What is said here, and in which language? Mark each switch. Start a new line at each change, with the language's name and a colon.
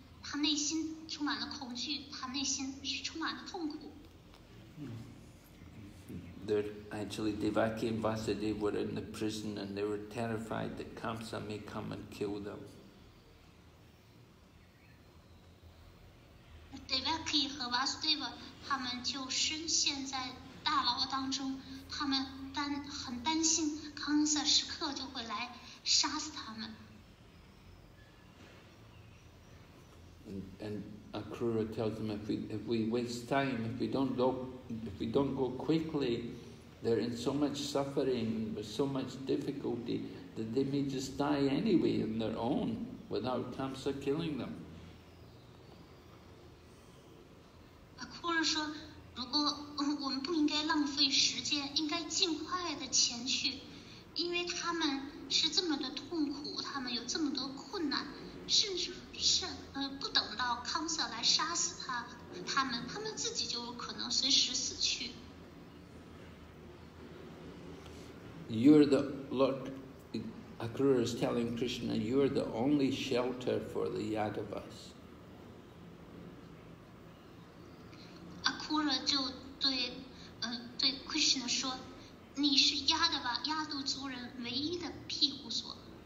Chinese: 他内心充满了恐惧，他内心是充满了痛苦。
English: They're actually Devaki and Vasudev were in the prison, and they were terrified that Kamsa may come and kill them.
Chinese: Devaki 和 Vasudev 他们就深陷在大牢当中，他们。很担心康瑟时刻就会来杀死他们。
English: And Akrura tells them, if we waste time, if we don't go quickly, they're in so much suffering, with so much difficulty, that they may just die anyway on their own without Kamsa killing them.
Chinese: Akrura 说，如果我们不应该浪费时间，应该尽快的前去，因为他们是这么的痛苦，他们有这么多困难，甚至是不等到康瑟来杀死他们自己就可能随时死去。
English: You're the Lord, Akrura is telling Krishna, you're the only shelter for the Yadavas.
Chinese: Akrura 就对 Krishna 说，你是亚度族人唯一的庇护所。